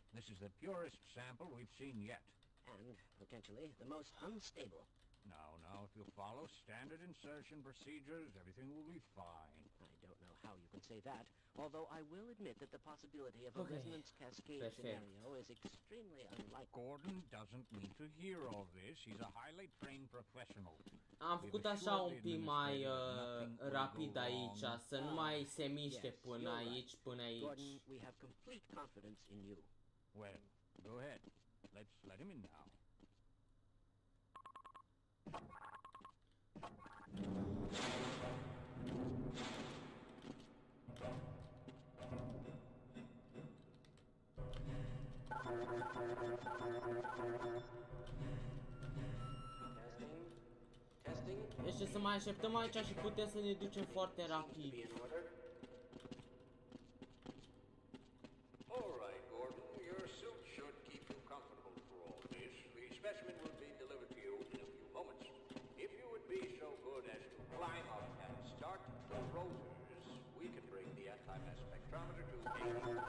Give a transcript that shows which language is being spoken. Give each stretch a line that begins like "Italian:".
English: This is the purest sample we've seen yet. And potentially the most unstable. Now, if you follow standard insertion procedures, everything will be fine. I don't know how you can say that, although I will admit that the possibility of a resonance cascade scenario is extremely unlikely. Gordon doesn't need to hear all this. He's a highly trained professional.
Romanian: Am făcut așa un pic mai rapid aici, să nu mai se miște până aici, până aici.
English: Gordon, we have complete confidence in you. Well, go ahead. Let's let him in now. Testing.
Romanian: Deci să mai așteptăm aici și putem să ne ducem foarte rapid.
English: All right, Gordon, your suit should keep you comfortable for all this. The specimen will be delivered to you in a few moments. If you would be so good as to climb up and start the rotors, we can bring the anti-mass spectrometer to perfect.